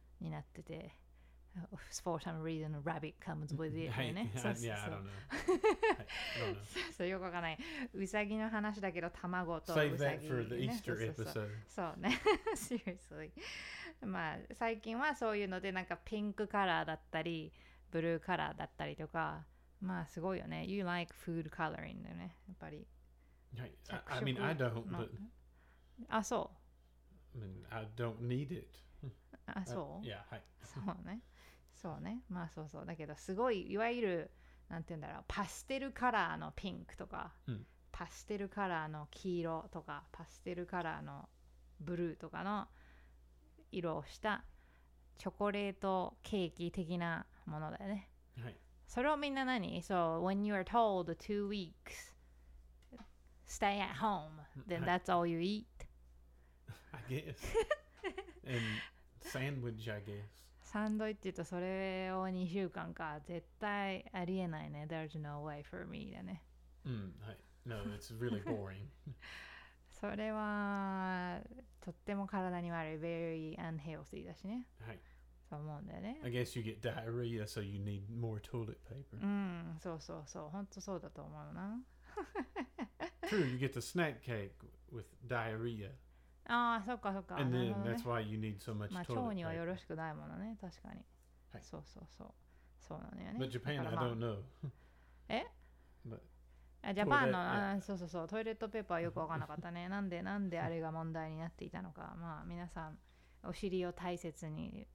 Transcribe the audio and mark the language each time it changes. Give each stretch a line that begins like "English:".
Japanese: になってて、はい、
English: For some reason, a rabbit comes with it.
Japanese: はい。ね、そうそうそう
English: yeah, I don't know.
Japanese: はい。そうよくわかんない。ウサギの話だけど卵とウサギ、ね、
English: Save that for the Easter episode.
Japanese: そうね。
English: Seriously.
Japanese: まあ最近はそういうのでなんかピンクカラーだったりブルーカラーだったりとかまあすごいよね。
English: You like food coloring だよね。やっぱり。はい。I mean, I don't, but...
Japanese: あ、そう。
English: I mean, I don't need it.
Japanese: あ、そう
English: Yeah, はい。
Japanese: そうね。そうね。まあそうそう。だけどすごい、いわゆる、なんて言うんだろうパステルカラーのピンクとか、うん、パステルカラーの黄色とかパステルカラーのブルーとかの色をしたチョコレートケーキ的なものだよね、はい、それをみんな何
English: So when you are told 2 weeks stay at home then that's all you eat I guess and sandwich I guess
Japanese: サンドイッチとそれを2週間か絶対ありえないね
English: There's no way for me
Japanese: だね
English: うんはい No, it's really boring
Japanese: それはとっても体に悪い
English: Very unhealthy
Japanese: だしねはいそう思うんだよね
English: I guess you get diarrhea so you need more toilet paper
Japanese: うんそうそうそう本当そうだと思うな
English: True, you get the snack cake with diarrhea
Japanese: ああ、そっかそっか。
English: And then that's why you need so much toilet paper.
Japanese: まあ腸にはよろしくないものね、確かに。はい。そうそうそう。そうなのよね。
English: But Japan,、まあ、I don't know.
Japanese: え
English: But...
Japanese: あ、Japan の、あ、そうそうそう。トイレットペーパーはよくわからなかったね。なんであれが問題になっていたのか。まあ皆さん、お尻を大切に、